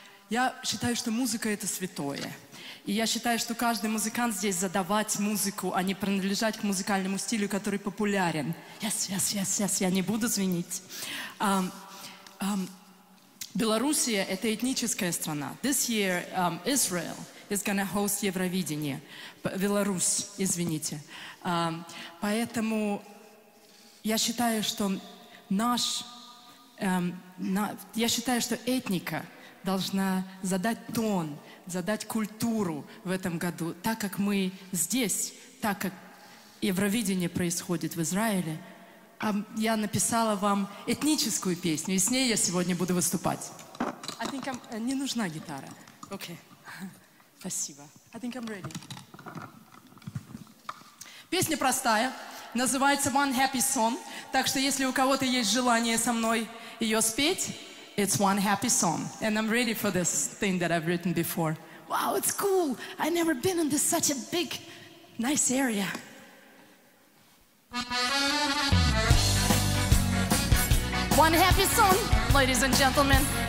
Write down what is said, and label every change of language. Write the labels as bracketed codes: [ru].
[ru] Я считаю, что музыка — это святое. И я считаю, что каждый музыкант здесь задавать музыку, а не принадлежать к музыкальному стилю, который популярен. [en] Yes, [ru] я не буду звенить. Белоруссия — это этническая страна. [en] This year Israel is going to host Евровидение. [ru] Беларусь, извините. Поэтому я считаю, что я считаю, что этника должна задать тон, задать культуру в этом году. Так как мы здесь, так как Евровидение происходит в Израиле, я написала вам этническую песню, и с ней я сегодня буду выступать. Не нужна гитара. Окей. Спасибо. [en] I think I'm ready. [ru] Песня простая, называется One Happy Song. Так что если у кого-то есть желание со мной ее спеть, [en] it's one happy song. And I'm ready for this thing that I've written before. Wow, it's cool. I've never been in this such a big, nice area. One happy song, ladies and gentlemen.